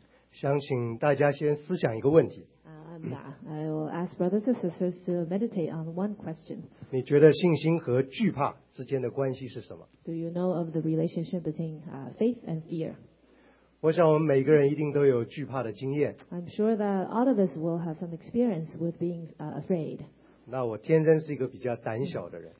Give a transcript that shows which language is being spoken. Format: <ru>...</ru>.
<zh>想请大家先思想一个问题。</zh> <en>I will ask brothers and sisters to meditate on one question.</en> <zh>你觉得信心和惧怕之间的关系是什么？</zh> <en>Do you know of the relationship between faith and fear?</en> <zh>我想我们每个人一定都有惧怕的经验。</zh> <en>I'm sure that all of us will have some experience with being afraid.</en> <zh>那我天生是一个比较胆小的人。</zh>